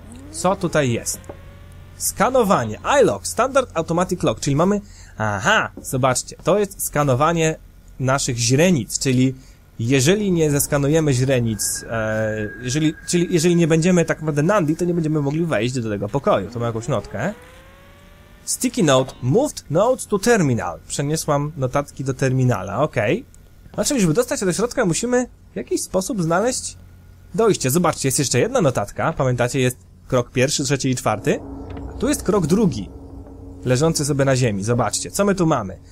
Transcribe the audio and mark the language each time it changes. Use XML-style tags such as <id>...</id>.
<pl>Co tutaj jest? Skanowanie. iLock. Standard Automatic Lock. Czyli mamy... Aha! Zobaczcie. To jest skanowanie naszych źrenic. Czyli jeżeli nie zeskanujemy źrenic... Czyli jeżeli nie będziemy tak naprawdę Nandi, to nie będziemy mogli wejść do tego pokoju. To ma jakąś notkę.</pl> <en>Sticky note, moved notes to terminal.</en> <pl>Przeniosłam notatki do terminala, okej. Znaczy, żeby dostać się do środka, musimy w jakiś sposób znaleźć dojście. Zobaczcie, jest jeszcze jedna notatka. Pamiętacie, jest krok pierwszy, trzeci i czwarty. A tu jest krok drugi, leżący sobie na ziemi. Zobaczcie, co my tu mamy.</pl>